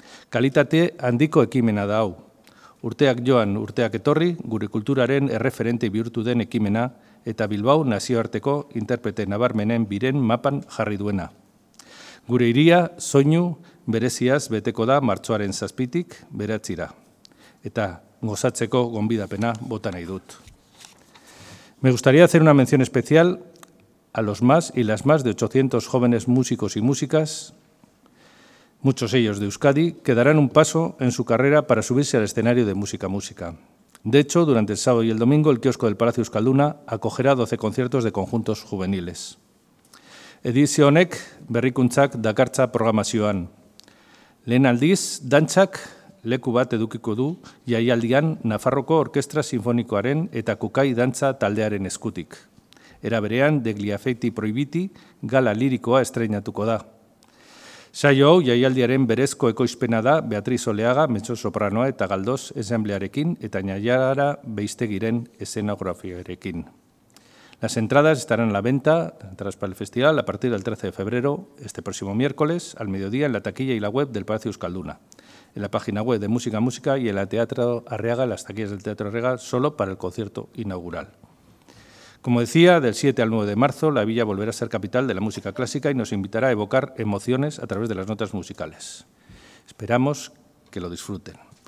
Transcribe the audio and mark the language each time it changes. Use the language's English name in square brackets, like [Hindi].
[Basque] Kalitate handiko ekimena da hau. Urteak joan, urteak etorri, gure kulturaren erreferente bihurtu den ekimena eta Bilbao nazioarteko interprete nabarmenen biren mapan jarri duena. Gure hiria soinu bereziaz beteko da martxoaren 7-9. Eta gozatzeko gonbidapena bota nahi dut. [Spanish] Me gustaría hacer una mención especial a los más y las más de 800 jóvenes músicos y músicas, muchos ellos de Euskadi, que darán un paso en su carrera para subirse al escenario de Música Música. De hecho, durante el sábado y el domingo, el kiosco del Palacio Euskalduna acogerá 12 conciertos de conjuntos juveniles. [Basque] Edizio honek berrikuntzak dakartza programazioan. Lehen aldiz, dantzak leku bat edukiko du jaialdian Nafarroko Orkestra Sinfonikoaren eta Kukai Dantza taldearen eskutik. Era berean, Degli Affetti Proibiti gala lirikoa estreinatuko da. Saio hau, jaialdiaren berezko ekoizpena da Beatriz Oleaga, mezzo sopranoa eta galdoz ensemblearekin eta Nayara Beistegiren escenografiarekin. [Spanish] Las entradas estarán a la venta, entradas para el festival, a partir del 13 de febrero, este próximo miércoles, al mediodía, en la taquilla y la web del Palacio Euskalduna, en la página web de Música Música y en la Teatro Arriaga, las taquillas del Teatro Arriaga, solo para el concierto inaugural. Como decía, del 7 al 9 de marzo, la villa volverá a ser capital de la música clásica y nos invitará a evocar emociones a través de las notas musicales. Esperamos que lo disfruten.